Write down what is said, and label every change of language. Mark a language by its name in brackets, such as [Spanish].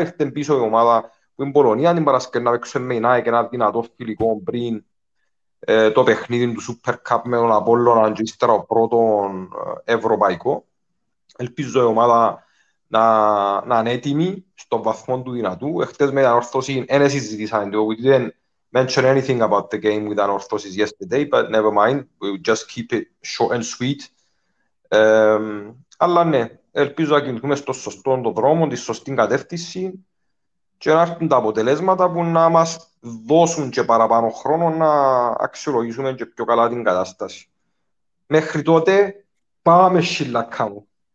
[Greek] Ήρθε πίσω η ομάδα που είναι Πολωνία την Παρασκευή να παίξουμε με ΝΑΕ και ένα δυνατό φιλικό πριν το παιχνίδι του Super Cup με τον Απόλλωνα και ύστερα ο πρώτον ευρωπαϊκό. Ελπίζω η ομάδα να είναι έτοιμη στον βαθμό του δυνατού. Εχθές με την ανόρθωση δεν συζητήσαμε. [English] We didn't mention anything about the game with ανόρθωσης yesterday, but never mind. We'll just keep it short and sweet. [Greek] Αλλά ναι, ελπίζω να κινηθούμε στο σωστό το δρόμο, τη σωστή κατεύθυνση και να έρθουν τα αποτελέσματα που να μας δώσουν και παραπάνω χρόνο να αξιολογήσουμε και πιο καλά την κατάσταση. Μέχρι τότε, πάμε σιλακά μου.